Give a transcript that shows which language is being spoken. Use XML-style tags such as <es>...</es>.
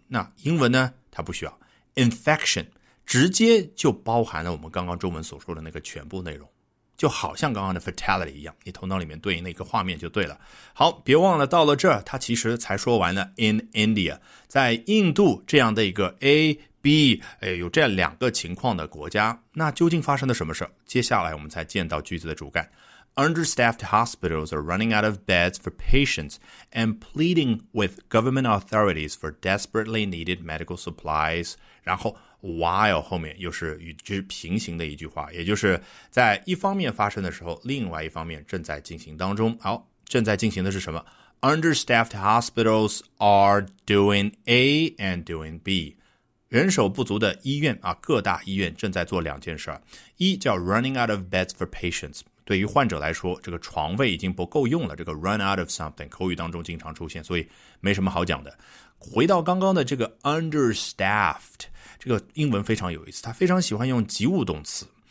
<zh>那英文呢它不需要 infection， 直接就包含了我们刚刚中文所说的那个全部内容，就好像刚刚的 fatality 一样，你头脑里面对应那个画面就对了。好，别忘了到了这儿，他其实才说完了 in India， 在印度这样的一个 A B 有这两个情况的国家，那究竟发生了什么事？接下来我们才见到句子的主干。</zh> <en>Understaffed hospitals are running out of beds for patients and pleading with government authorities for desperately needed medical supplies.</en> <zh>然后 while 后面又是与之平行的一句话，也就是在一方面发生的时候，另外一方面正在进行当中。好，正在进行的是什么？</zh> <en>Understaffed hospitals are doing A and doing B.</en> <zh>人手不足的医院啊，各大医院正在做两件事。一叫</zh> <en>running out of beds for patients，</en> <zh>对于患者来说这个床位已经不够用了，这个</zh> <en>run out of something</en> <zh>口语当中经常出现，所以没什么好讲的。回到刚刚的这个 understaffed， 这个英文非常有意思，他非常喜欢用及物动词。</zh>